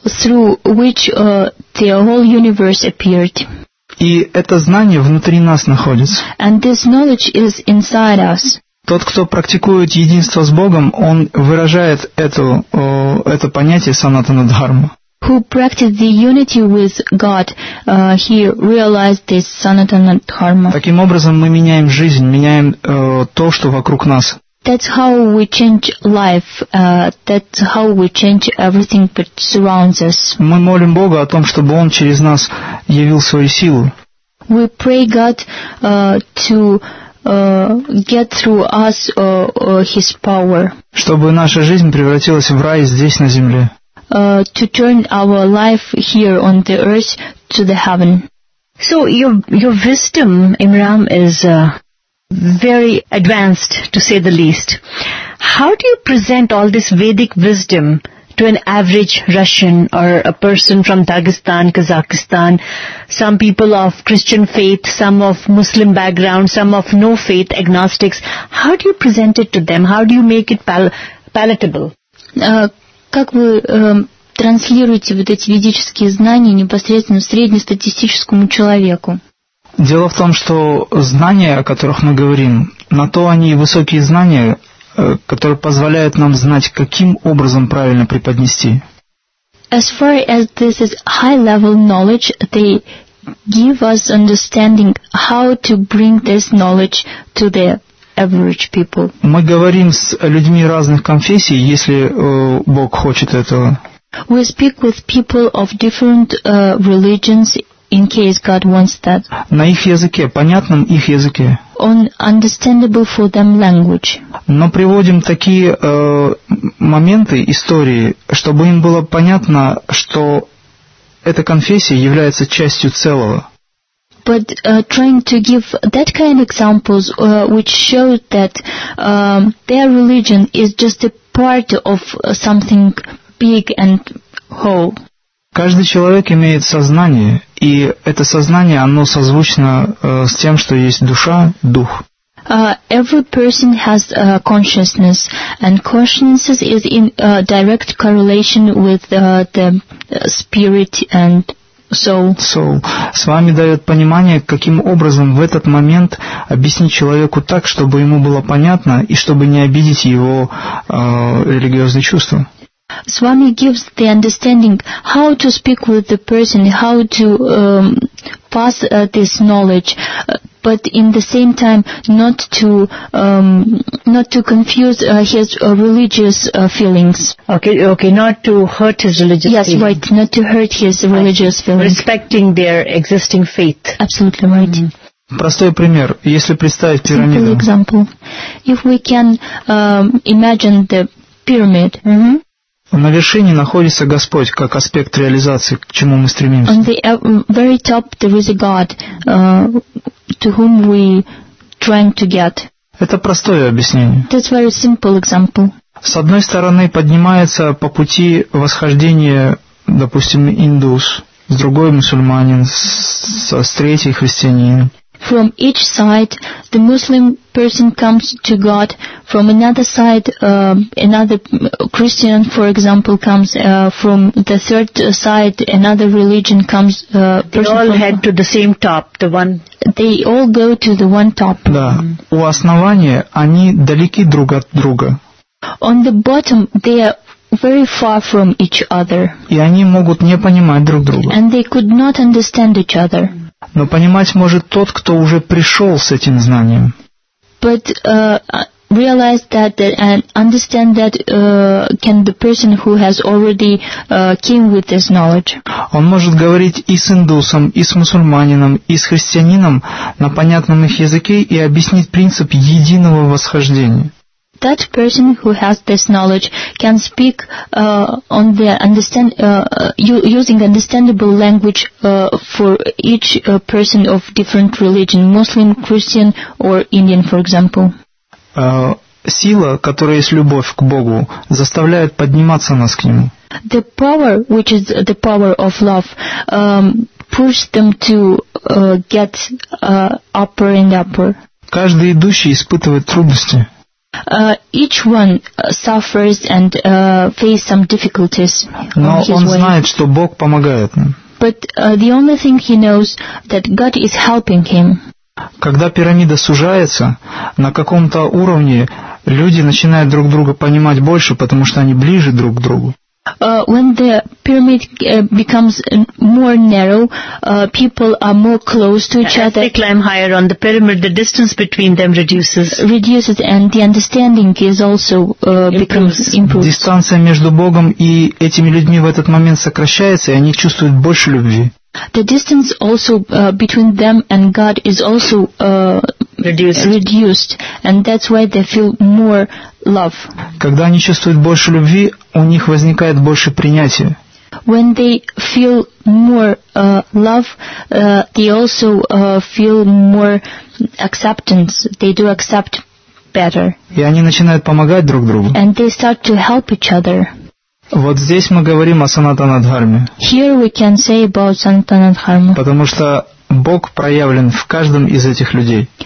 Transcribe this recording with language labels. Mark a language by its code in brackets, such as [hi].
[en] Through which the whole universe appeared. [ru] И это знание внутри нас находится. [en] And this knowledge is inside us. [ru] Тот, кто практикует единство с Богом, он выражает это понятие Санатана Дхарма. [en] Who practiced the unity with God, he realized this Sanatana Dharma. [ru] Таким образом мы меняем жизнь, меняем то, что вокруг нас. [en] That's how we change life. That's how we change everything that surrounds us. [ru] Мы молим Бога о том, чтобы Он через нас явил свою силу. [en] We pray God to get through us His power. [ru] Чтобы наша жизнь превратилась в рай здесь на земле. [en] To turn our life here on the earth to the heaven. So your wisdom, Imran, is very advanced, to say the least. How do you present all this Vedic wisdom to an average Russian or a person from Dagestan, Kazakhstan, some people of Christian faith, some of Muslim background, some of no faith, agnostics? How do you present it to them? How do you make it palatable? [ru] Как вы транслируете вот эти ведические знания непосредственно среднестатистическому человеку? Дело в том, что знания, о которых мы говорим, на то они и высокие знания, которые позволяют нам знать, каким образом правильно преподнести. [en] As far as this is high-level knowledge, they give us understanding how to bring this knowledge to the average people. [ru] Мы говорим с людьми разных конфессий, если Бог хочет этого. [en] We speak with people of different religions in case God wants that. [ru] На их языке, понятном их языке. [en] On understandable for them language. [ru] Но приводим такие моменты, истории, чтобы им было понятно, что эта конфессия является частью целого. [en] But trying to give that kind of examples which show that their religion is just a part of something big and whole. [ru] Каждый человек имеет сознание, и это сознание, оно созвучно с тем, что есть душа, дух. [en] Every person has a consciousness, and consciousness is in direct correlation with the spirit and Soul. [ru] С вами дает понимание, каким образом в этот момент объяснить человеку так, чтобы ему было понятно и чтобы не обидеть его религиозные чувства. С вами [en] gives the understanding how to speak with the person, how to pass this knowledge, but in the same time not to confuse his religious feelings. Okay, not to hurt his religious feelings. Yes, right, not to hurt his religious feelings. Respecting their existing faith. Absolutely right. Mm-hmm. [ru] Простой пример. Если представить пирамиду. [en] Simple example. If we can imagine the pyramid. Mm-hmm. [ru] На вершине находится Господь, как аспект реализации, к чему мы стремимся. [en] On the very top there is a God, to whom we trying to get. [ru] Это простое объяснение. [en] That's very simple example. [ru] С одной стороны поднимается по пути восхождения, допустим, индус, с другой мусульманин, с третьей христианин. [en] From each side, the Muslim person comes to God. From another side, another Christian, for example, comes. From the third side, another religion comes. They all head to the same top, the one. They all go to the one top. [ru] Да. Mm-hmm. У основания они далеки друг от друга. [en] On the bottom, they are very far from each other. [ru] И они могут не понимать друг друга. [en] And they could not understand each other. [ru] Но понимать может тот, кто уже пришел с этим знанием. [en] But realize that and understand that can the person who has already came with this knowledge. [ru] Он может говорить и с индусом, и с мусульманином, и с христианином на понятном их языке и объяснить принцип единого восхождения. [en] That person who has this knowledge can speak on the understand using understandable language for each person of different religion, Muslim, Christian, or Indian, for example. [ru] Сила, которая есть любовь к Богу, заставляет подниматься нас к Нему. [en] The power, which is the power of love, push them to get upper and upper. [ru] Каждый идущий испытывает трудности. [en] Each one suffers and faces some difficulties. [ru] Но он знает, что Бог помогает ему. [en] But the only thing he knows that God is helping him. [ru] Когда пирамида сужается, на каком-то уровне люди начинают друг друга понимать больше, потому что они ближе друг к другу. [en] When the pyramid becomes more narrow, people are more close to each other. As they climb higher on the pyramid, the distance between them reduces. Reduces, and the understanding is also improves. [ru] Дистанция между Богом и этими людьми в этот момент сокращается, и они чувствуют больше любви. [en] The distance also between them and God is also reduced, and that's why they feel more love. [ru] Когда они чувствуют больше любви, у них возникает больше принятия. [en] When they feel more love, they also feel more acceptance. They do accept better. [ru] И они начинают помогать друг другу. [en] And they start to help each other. [ru] Вот здесь мы говорим о Санатана Дхарме. [en] Here we can say about Санатана Дхарма. [ru] Потому что Бог проявлен в каждом из этих людей.